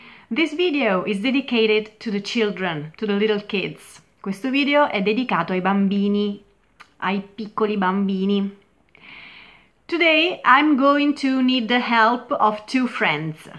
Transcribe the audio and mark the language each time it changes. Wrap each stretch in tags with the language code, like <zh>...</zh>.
<en>This video is dedicated to the children, to the little kids.</en> <it>Questo video è dedicato ai bambini, ai piccoli bambini.</it> <en>Today I'm going to need the help of two friends.</en>